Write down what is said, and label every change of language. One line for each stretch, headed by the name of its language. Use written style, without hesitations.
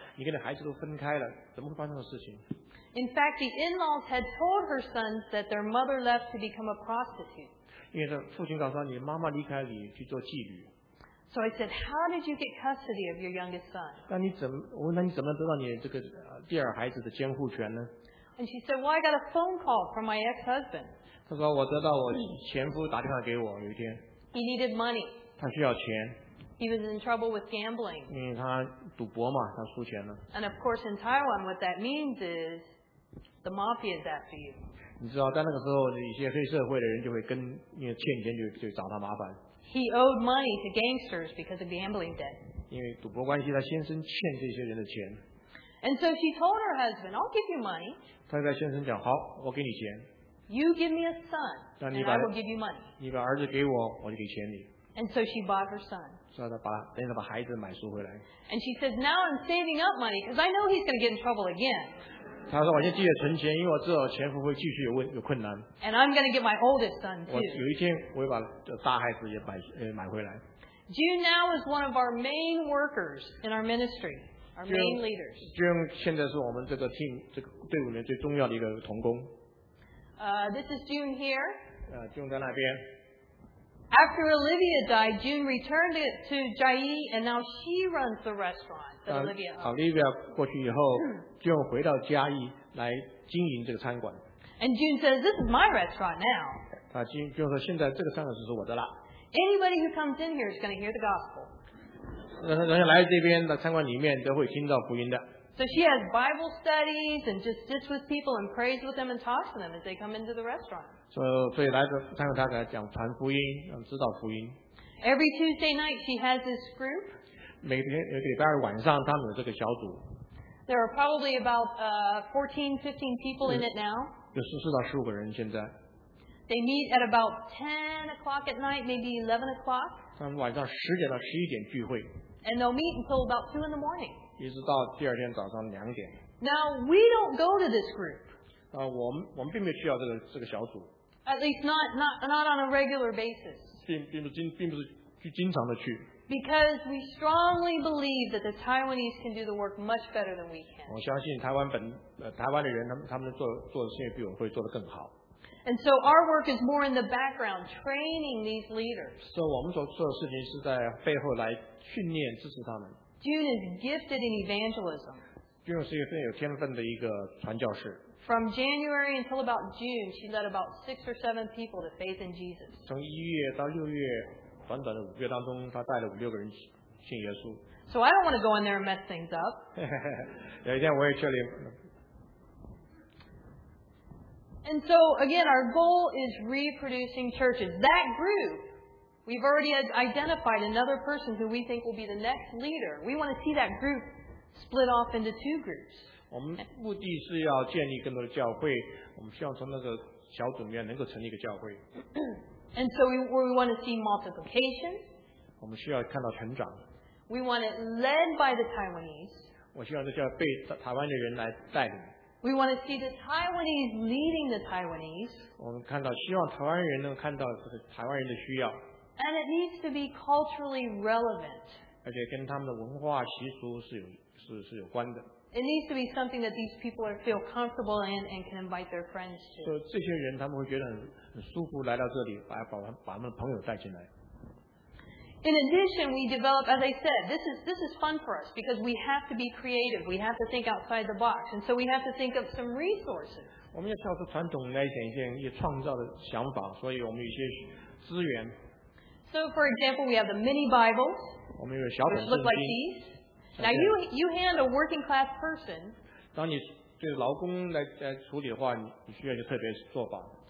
Chinese: 哦，因为我说怎么会发生这种事情？过去你们结婚2年了，你跟你孩子都分开了，怎么会发生这种事情？
English: In fact, the in-laws had told her sons that their mother left to become a prostitute.
Chinese: 因为他父亲告诉他，你妈妈离开你去做妓女。
English: So I said, "How did you get custody of your youngest son?"
Chinese: 那你怎么得到你这个第二孩子的监护权呢？
English: And she said, "Well, I got a phone call from my ex-husband."
Chinese: 他说我得到我前夫打电话给我，有一天。
English: He needed money.
Chinese: 他需要钱。
English: He was in trouble with gambling.
Chinese: 因为他赌博嘛，他输钱了。
English: And of course, in Taiwan, what that means is the mafia is after you.
Chinese: 你知道，在那个时候，一些黑社会的人就会跟，因为欠钱就找他麻烦。
English: He owed money to gangsters because of gambling debt.
Chinese: 因为赌博关系，他先生欠这些人的钱。
English: And so she told her husband, "I'll give you money."
Chinese: 她跟先生讲，好，我给你钱。
English: You give me a son, and I will give you money.
Chinese: 你把儿子给我，我就给钱你。
English: And so she bought her son.
Chinese: 所以她把等于把孩子买赎回来。
English: And she says, now I'm saving up money because I know he's going to get in trouble again.
Chinese: 她说我先继续存钱，因为我知道前夫会继续 有困难。
English: And I'm going to get my oldest son too.
Chinese: 我有一天我会把大孩子也 买回来。
English: June now is one of our main workers in our ministry, our main leaders.
Chinese: June 现在是我们这个 team 这个队伍里面最重要的一个同工。
English: This is June here.
Chinese: June 在那边。
English: After Olivia died, June returned to Jai, and now she runs the restaurant that Olivia owns.
Chinese: Olivia 过去以后，June 回到嘉义来经营这个餐馆。
English: And June says, "This is my restaurant now."
Chinese: June 说，现在这个餐馆是我的了。
English: Anybody who comes in here is going to hear the gospel.
Chinese: 人家来这边的餐馆里面都会听到福音的。
English: So she has Bible studies and just sits with people and prays with them and talks to them as they come into the restaurant.
Chinese: 所以来的餐馆，她给他讲传福音，让知道福音。
English: Every Tuesday night she has this group.
Chinese: 每礼拜二晚上他们有这个小组。
English: There are probably about 14-15 people in it now.
Chinese: 有14到15个人现在。
English: They meet at about 10 o'clock at night, maybe 11 o'clock.
Chinese: 他们晚上十点到十一点聚会。
English: And they'll meet until about 2 in the morning.
Chinese: 一直到第二天早上两点。
English: Now, we don't go to this group.
Chinese: 我们并没有去到这个小组。
English: At least not on a regular basis.
Chinese: 并不是去经常的去。
English: Because we strongly believe that the Taiwanese can do the work much better than we can.
Chinese: 我相信台湾的人他们做的事情比我会做得更好。
English: And so our work is more in the background, training these leaders.
Chinese: So 我们所做的事情是在背后来训练支持他们。
English: June is gifted in evangelism.
Chinese: June 是一个非常有天分的一个传教士。
English: From January until about June, she led about 6 or 7 people to faith in Jesus.
Chinese: 从一月到六月，短短的五月当中，她带了五六个人信耶稣。
English: So I don't want to go in there and mess things up.
Chinese: 有一天我也去了。
English: And so, again, our goal is reproducing churches. That group, we've already identified another person who we think will be the next leader. We want to see that group split off into two groups.
Chinese: 我们目的是要建立更多的教会，我们希望从那个小组里面能够成立一个教会。
English: And so we want to see multiplication.
Chinese: 我们需要看到成长。
English: We want it led by the Taiwanese.
Chinese: 我希望这叫被台湾的人来带领。
English: We want to see the Taiwanese leading the Taiwanese.
Chinese: 我们看到，希望台湾人能看到这个台湾人的需要。
English: And it needs to be culturally relevant.
Chinese: 而且跟他们的文化习俗是有关的。
English: It needs to be something that these people are feel comfortable in and can invite their friends to.
Chinese: 所以这些人他们会觉得很舒服来到这里，把他们的朋友带进来。
English: In addition, we develop, as I said, this is fun for us because we have to be creative. We have to think outside the box. And so we have to think of some resources.
Chinese: 我们要跳出传统来想一些创造的想法，所以我们有一些资源。
English: So, for example, we have the mini Bibles,
Chinese: 我们有小本圣经
English: which look like these. Now, you hand a working class person,
Chinese: 当你对劳工来处理的话，你需要一个特别做法。